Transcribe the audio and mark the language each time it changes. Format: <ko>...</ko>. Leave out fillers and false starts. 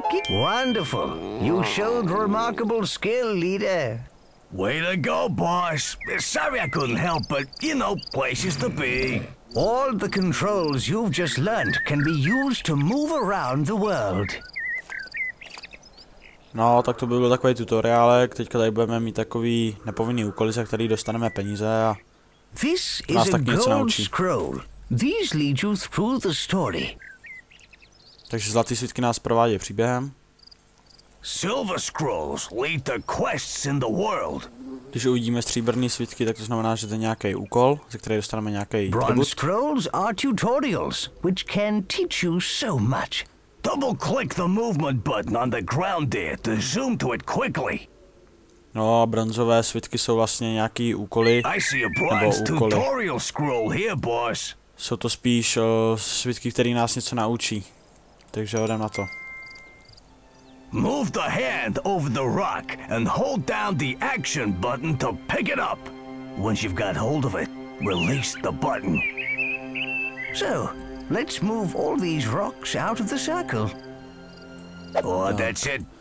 <en>Wonderful. You showed remarkable skill, Leader. Way to go, boss. Sorry I couldn't help, but you know, places to be. All the controls you've just learned can be used to move around the world.</en> <cs>No, tak to by byl takový tutoriálek, teďka tady budeme mít takový nepovinný úkoly, za který dostaneme peníze a</cs> <en>this</en> <cs>nás tak něco naučí.</cs> <en>Scroll. These lead you through the story.</en> <cs>Takže zlatý svitky nás provádí příběhem.</cs> <en>Silver scrolls lead the quests in the world.</en> <cs>Když uvidíme stříbrný svitky, tak to znamená, že to je nějaký úkol, ze které dostaneme nějaký tribut.</cs> <en>Bronze scrolls are tutorials, which can teach you so much. Double click the movement button on the ground there to zoom to it quickly.</en> <cs>No, bronzové svitky jsou vlastně nějaký úkoly.</cs> <en>I see a bronze tutorial scroll here, boss.</en> <cs>Jsou to spíš svitky, které nás něco naučí. Takže jdem na to.</cs> <en>Move the hand over the rock and hold down the action button to pick it up. Once you've got hold of it, release the button. So, let's move all these rocks out of the circle. Oh, that's it.</en>